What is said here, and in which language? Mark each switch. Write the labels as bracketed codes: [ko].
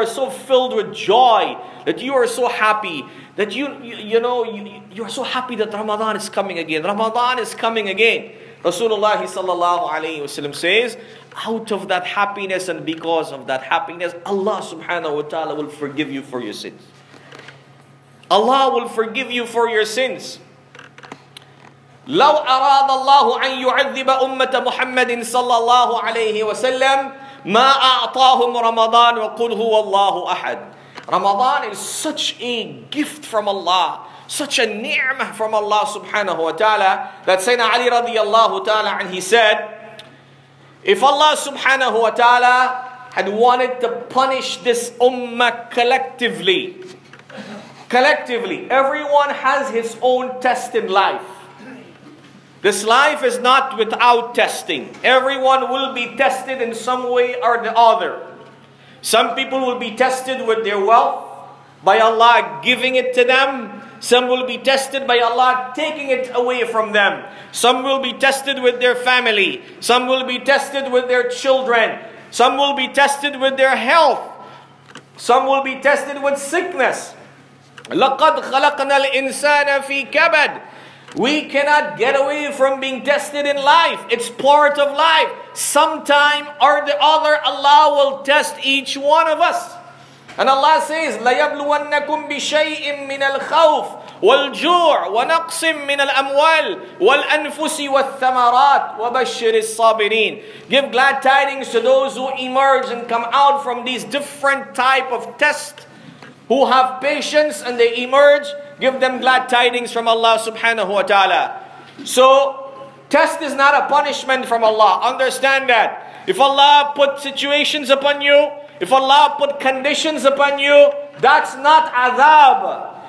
[en] filled with joy, that you are so happy, that you are so happy that Ramadan is coming again. Ramadan is coming again. Rasulullah sallallahu alayhi wasallam says, out of that happiness and because of that happiness, Allah subhanahu wa ta'ala will forgive you for your sins. Allah will forgive you for your sins. [ar] لو أراد الله أن يعذب أمة محمد صلى الله عليه وسلم ما أعطاهم رمضان وقل هو الله أحد. [en] Ramadan is such a gift from Allah, such a ni'mah from Allah subhanahu wa ta'ala, that Sayyidina Ali radiallahu ta'ala, and he said, if Allah subhanahu wa ta'ala had wanted to punish this ummah collectively, everyone has his own test in life. This life is not without testing. Everyone will be tested in some way or the other. Some people will be tested with their wealth, by Allah giving it to them. Some will be tested by Allah taking it away from them. Some will be tested with their family. Some will be tested with their children. Some will be tested with their health. Some will be tested with sickness. [ar] لَقَدْ خَلَقْنَا الْإِنسَانَ فِي كَبَدْ. [en] We cannot get away from being tested in life. It's part of life. Sometime or the other, Allah will test each one of us. And Allah says, [ar] لَيَبْلُوَنَّكُمْ بِشَيْءٍ مِّنَ الْخَوْفِ وَالْجُوعِ وَنَقْصٍ مِّنَ الْأَمْوَالِ وَالْأَنفُسِ وَالثَّمَرَاتِ وَبَشِّرِ الصَّابِرِينَ. [en] Give glad tidings to those who emerge and come out from these different type of tests, who have patience and they emerge. Give them glad tidings from Allah subhanahu wa ta'ala. So, test is not a punishment from Allah. Understand that. If Allah put situations upon you, if Allah put conditions upon you, that's not azab.